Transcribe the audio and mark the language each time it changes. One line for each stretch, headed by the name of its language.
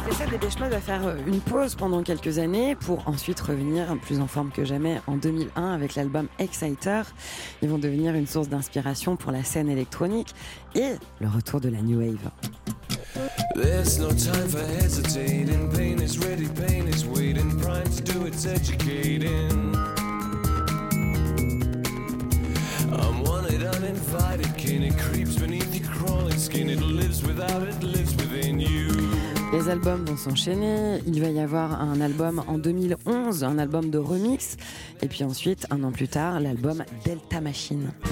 French: Dépêche Mode va faire une pause pendant quelques années pour ensuite revenir plus en forme que jamais en 2001 avec l'album Exciter. Ils vont devenir une source d'inspiration pour la scène électronique et le retour de la New Wave.
English: There's no time for hesitating. Pain is waiting. Prime to do its educating. I'm wanted, uninvited, kin. It creeps beneath your crawling skin. It lives without it, lives within you.
French: Les albums vont s'enchaîner, il va y avoir un album en 2011, un album de remix, et puis ensuite, un an plus tard, l'album Delta Machine.